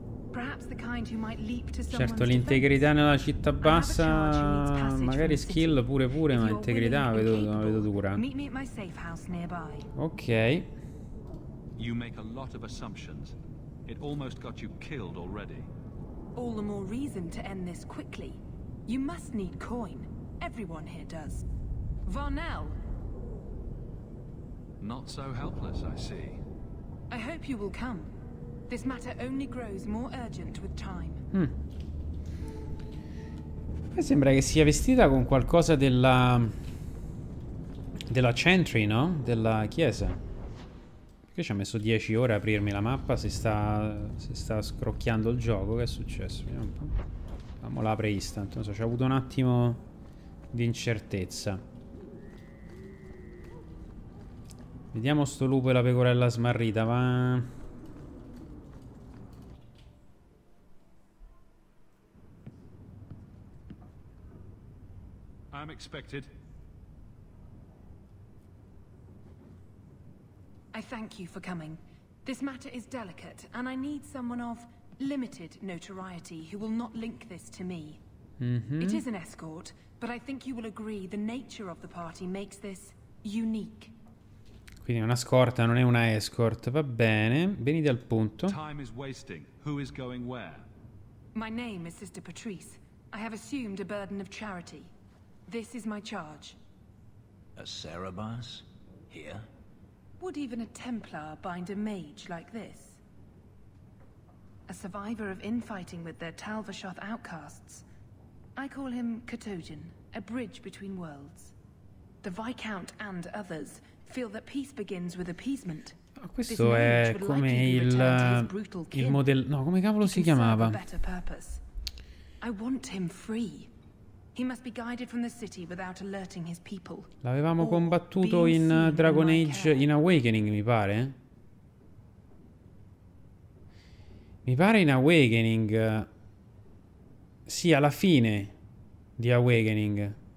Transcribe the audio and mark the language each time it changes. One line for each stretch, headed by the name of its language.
English: Perhaps the kind who might leap to someone.
Italian: Certo, l'integrità nella città bassa, magari skill pure, ma integrità vedo dura.
English: Meet me at my safe house nearby. Ok. You make a lot of assumptions. It almost got you killed already. All the more reason to end this quickly. You must need coin. Everyone here does. Varnell. Not so helpless, I see. I hope you will come. This matter only grows more urgent with time.
Italian: Mi sembra che sia vestita con qualcosa della Chantry, no? Della chiesa. Perché ci ha messo 10 ore a aprirmi la mappa? Si sta scrocchiando il gioco. Che è successo? Vediamo un po'. Vamo l'apre instant, non so, c'è avuto un attimo di incertezza. Vediamo sto lupo e la pecorella smarrita, va.
English: I'm expected. I thank you for coming. This matter is delicate and I need someone of limited notoriety who will not link this to me. Mm-hmm. It is an escort, but I think you will agree the nature of the party makes this unique.
Italian: Quindi una scorta, non è una escort, va bene, venite al punto.
English: Time is wasting. Who is going where? My name is Sister Patrice. I have assumed a burden of charity. This is my charge. A Cerebus? Here? Would even a Templar bind a mage like this? A survivor of infighting with their Talvashoth outcasts. I call him Katogen, a bridge between worlds. The Viscount and others feel that peace begins with appeasement.
Italian: Ma questo è come il modello. No, come cavolo si chiamava?
English: I want him free. He must be guided from the city without alerting his people.
Italian: L'avevamo combattuto in Dragon Age in Awakening, mi pare. Mi pare in Awakening. Sì, alla fine di Awakening.